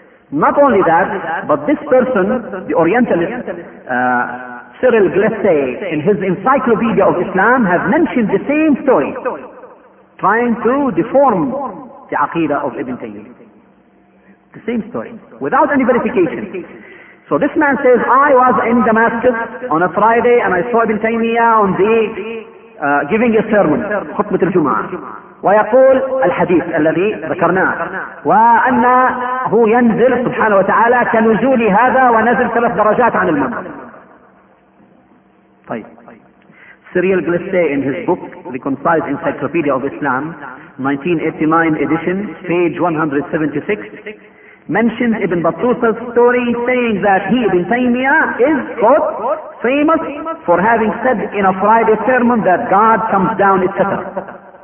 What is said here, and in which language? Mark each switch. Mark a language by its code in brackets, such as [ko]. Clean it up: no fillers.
[en] Not only that, but this person, the Orientalist, Cyril Glessé, in his Encyclopedia of Islam, have mentioned the same story, trying to deform the aqidah of Ibn Taymiyyah. The same story, without any verification. So this man says, I was in Damascus on a Friday and I saw Ibn Taymiyyah on the giving a sermon, [ar] خطبة الجمعة. ويقول الحديث الذي ذكرناه, وأنه ينزل سبحانه وتعالى كنزول هذا ونزل ثلاث درجات عن المنبر. [en] طيب Cyril Glasse in his book The Concise Encyclopedia of Islam 1989 edition page 176 mentions Ibn Battuta's story saying that he, Ibn Taymiyyah, is quote, famous for having said in a Friday sermon that God comes down, etc.